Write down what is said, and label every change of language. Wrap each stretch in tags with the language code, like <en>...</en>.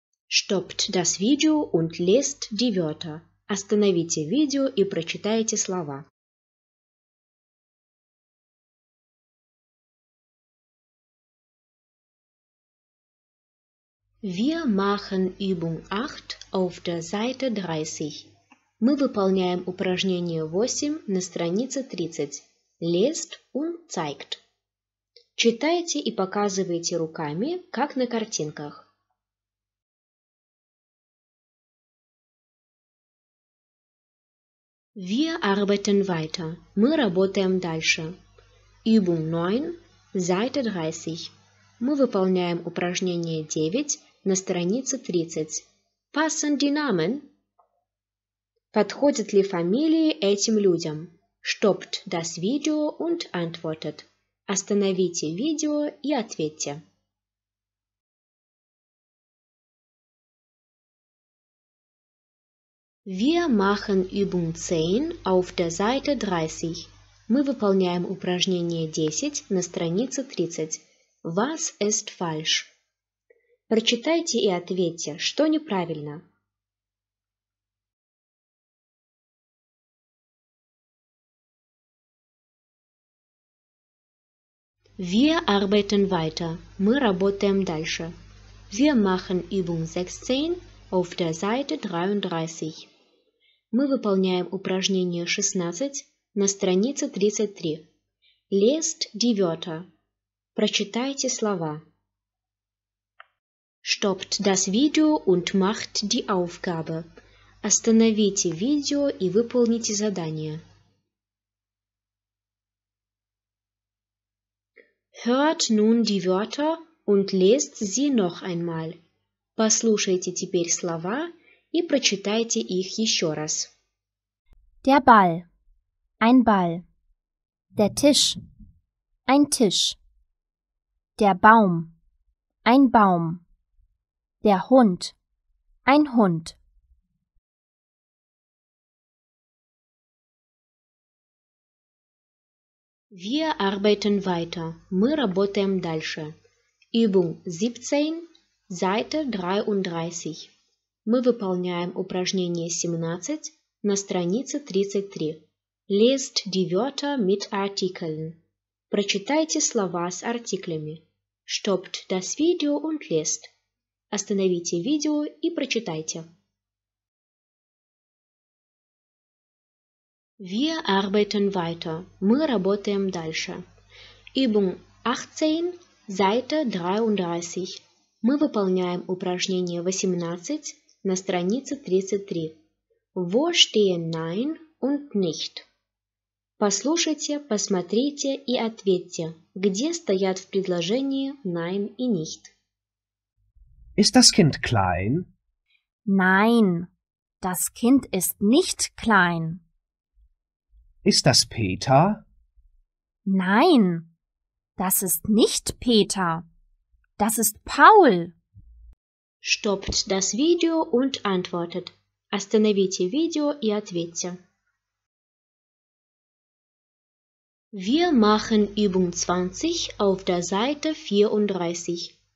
<de>Stoppt das Video und lest die Wörter.</de> <ru>Остановите видео и прочитайте слова.</ru> <de>Wir machen Übung 8 auf der Seite 30.</de> <ru>Мы выполняем упражнение 8 на странице 30.</ru> <de>Lest und zeigt.</de> <ru>Читайте и показывайте руками, как на картинках.</ru> <de>Wir arbeiten weiter.</de> <ru>Мы работаем дальше.</ru> <de>Übung 9, Seite 30.</de> <ru>Мы выполняем упражнение 9 на странице 30.</ru> <de>Passen die Namen?</de> <ru>Подходят ли фамилии этим людям?</ru> <de>Stoppt das Video und antwortet.</de> <ru>Остановите видео и ответьте.</ru> <de>Wir machen Übung 10 auf der Seite 30.</de> <ru>Мы выполняем упражнение 10 на странице 30.</ru> <de>Was ist falsch?</de> <ru>Прочитайте и ответьте, что неправильно.</ru> <de>Wir arbeiten weiter.</de> <ru>Мы работаем дальше.</ru> <de>Wir machen Übung 16 auf der Seite 33.</de> <ru>Мы выполняем упражнение 16 на странице 33.</ru> <de>Lest die Wörter.</de> <ru>Прочитайте слова.</ru> <de>Stoppt das Video und macht die Aufgabe.</de> <ru>Остановите видео и выполните задание.</ru> <de>Hört nun die Wörter und lest sie noch einmal.</de> <ru>Послушайте теперь слова и прочитайте их еще раз.</ru> <de>Der Ball. Ein Ball. Der Tisch. Ein Tisch. Der Baum. Ein Baum. Der Hund. Ein Hund. Wir arbeiten weiter.</de> <ru>Мы работаем дальше.</ru> <de>Übung 17, Seite 33.</de> <ru>Мы выполняем упражнение 17 на странице 33.</ru> <de>Lest die Wörter mit Artikeln.</de> <ru>Прочитайте слова с артиклями.</ru> <de>Stoppt das Video und lest.</de> <ru>Остановите видео и прочитайте.</ru> <de>Wir arbeiten weiter.</de> <ru>Мы работаем дальше.</ru> <de>Übung 18, Seite 33.</de> <ru>Мы выполняем упражнение 18 на странице 33.</ru> <de>Wo stehen nein und nicht?</de> <ru>Послушайте, посмотрите и ответьте, где стоят в предложении nein и nicht.</ru> <de>Ist das Kind klein? Nein, das Kind ist nicht klein. Ist das Peter? Nein, das ist nicht Peter. Das ist Paul. Stoppt das Video und antwortet.</de> <ru>Остановите видео и ответьте.</ru> <de>Wir machen Übung 20 auf der Seite 34.</de>